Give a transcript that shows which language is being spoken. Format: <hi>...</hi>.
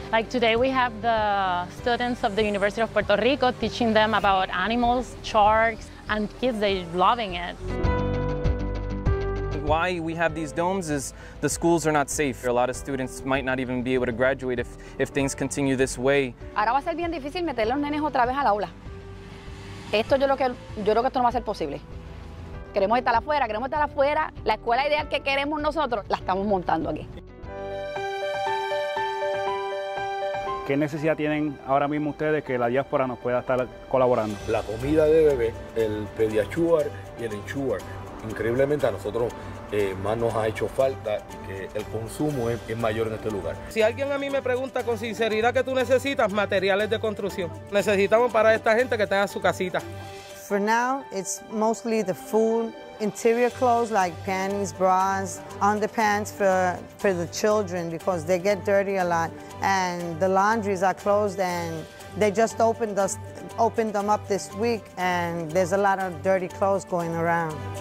<en>Like today we have the students of the University of Puerto Rico teaching them about animals, sharks, and kids, they're loving it. Why we have these domes is the schools are not safe. A lot of students might not even be able to graduate if things continue this way.</en> <es>Ahora va a ser bien difícil meter los nenes otra vez al aula. Esto yo creo que esto no va a ser posible. Queremos estar afuera. La escuela ideal que queremos nosotros la estamos montando aquí. ¿Qué necesidad tienen ahora mismo ustedes que la diáspora nos pueda estar colaborando? La comida de bebé, el pediachuar y el enchuar. Increíblemente a nosotros más nos ha hecho falta y que el consumo es mayor en este lugar. Si alguien a mí me pregunta con sinceridad que tú necesitas materiales de construcción, necesitamos para esta gente que tenga su casita.</es> <en>For now, it's mostly the food, interior clothes like panties, bras, underpants for the children because they get dirty a lot and the laundries are closed and they just opened them up this week and there's a lot of dirty clothes going around.</en>